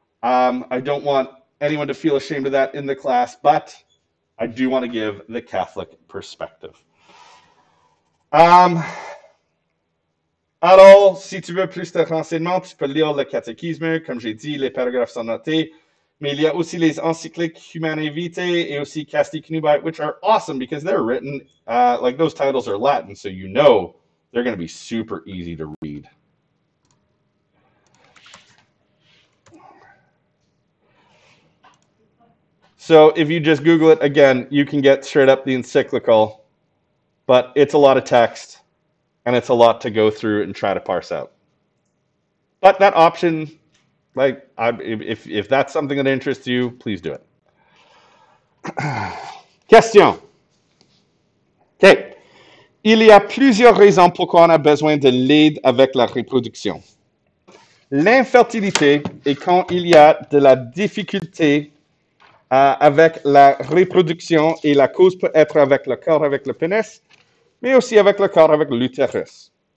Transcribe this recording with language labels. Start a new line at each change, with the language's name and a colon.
English: I don't want anyone to feel ashamed of that in the class, but I do want to give the Catholic perspective.
French: Alors, si tu veux plus de renseignements, tu peux lire le catéchisme. Comme j'ai dit, les paragraphes sont notés. Mais il y a aussi les encycliques Humanae Vitae et aussi Casti Cunubi,
English: which are awesome because they're written, like those titles are Latin, so you know they're going to be super easy to read. So if you just Google it again, you can get straight up the encyclical, but it's a lot of text and it's a lot to go through and try to parse out. But that option, like if that's something that interests you, please do it. Question. Okay.
French: Il y a plusieurs raisons pourquoi on a besoin de l'aide avec la reproduction. L'infertilité et quand il y a de la difficulté avec la reproduction et la cause peut être avec le corps, avec le pénis, mais aussi avec le corps, avec l'utérus.